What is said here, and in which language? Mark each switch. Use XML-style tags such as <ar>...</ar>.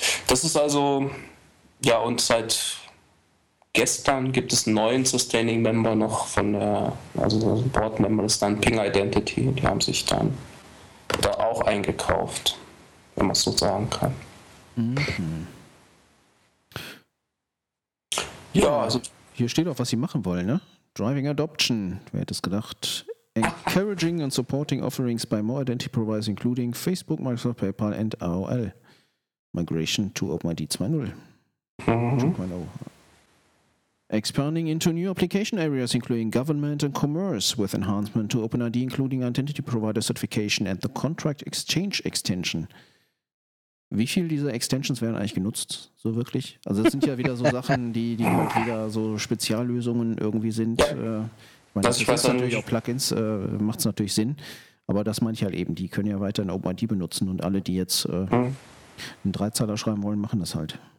<de>Das ist also, ja, und seit gestern gibt es einen neuen Sustaining Member noch von der, also der Board Member ist dann Ping Identity, die haben sich dann da auch eingekauft, wenn man es so sagen kann. Mhm. Ja, also hier steht auch, was sie machen wollen, ne?</de> <en>Driving Adoption,</en> <de>wer hätte es gedacht?</de> <en>Encouraging and supporting offerings by more identity providers, including Facebook, Microsoft, PayPal and AOL. Migration to OpenID 2.0. Mm-hmm. Expanding into new application areas, including government and commerce, with enhancement to OpenID, including identity provider certification and the contract exchange extension.</en> <de>Wie viel dieser Extensions werden eigentlich genutzt, so wirklich? Also das sind ja wieder so Sachen, die halt wieder so Speziallösungen irgendwie sind. Ich meine, das ist natürlich auch Plugins, macht es natürlich Sinn. Aber das meine ich halt eben, die können ja weiter in OpenID benutzen und alle, die jetzt einen Dreizeiler schreiben wollen, machen das halt.</de>